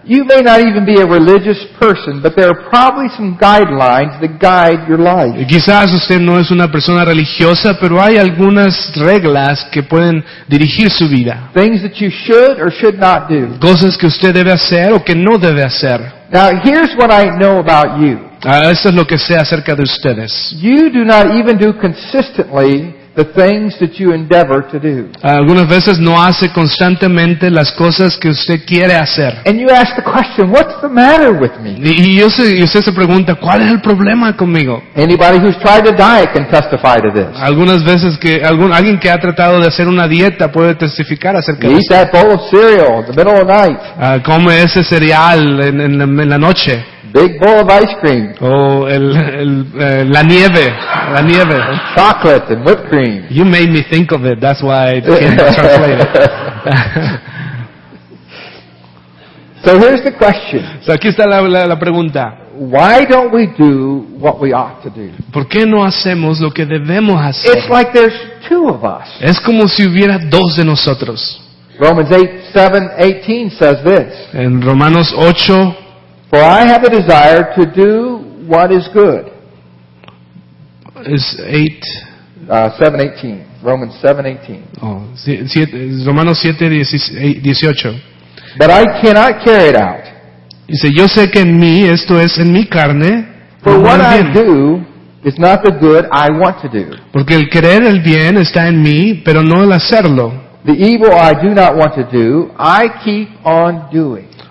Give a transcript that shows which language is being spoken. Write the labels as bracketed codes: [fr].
[en] You may not even be a religious person, but there are probably some guidelines that guide your life. [es] Quizás usted no es una persona religiosa, pero hay algunas reglas que pueden dirigir su vida. [en] Things that you should or should not do. [es] Cosas que usted debe hacer o que no debe hacer. [en] Now, here's what I know about you. [es] Eso es lo que sé acerca de ustedes. [en] You do not even do consistently the things that you endeavor to do. [es] Algunas veces no hace constantemente las cosas que usted quiere hacer. [en] And you ask the question, what's the matter with me? [es] Y usted se pregunta, ¿cuál es el problema conmigo? [en] Anybody who's tried to diet can testify to this. [es] Algunas veces que alguien que ha tratado de hacer una dieta puede testificar acerca de eso. [en] Eat that bowl of cereal in the middle of the night. [es] Come ese cereal en la noche. [en] Big bowl of ice cream. [es] La nieve. [en] And chocolate and whipped cream. You made me think of it. That's why I can't translate it. So here's the question. So [es] aquí está la pregunta. [en] Why don't we do what we ought to do? [es] ¿Por qué no hacemos lo que debemos hacer? [en] It's like there's two of us. [es] Es como si hubiera dos de nosotros. [en] Romans 8:7-18 says this. [es] En Romanos 8. [en] For I have a desire to do what is good. Is 7:18. Romans 7:18. Romanos 7:18. But I cannot carry it out. [es] Dice, yo sé que en mí, esto es en mi carne. [en] For what I do is not the good I want to do. [es] Porque el querer el bien está en mí, pero no el hacerlo. [en] The evil I do not want to do, I keep on doing.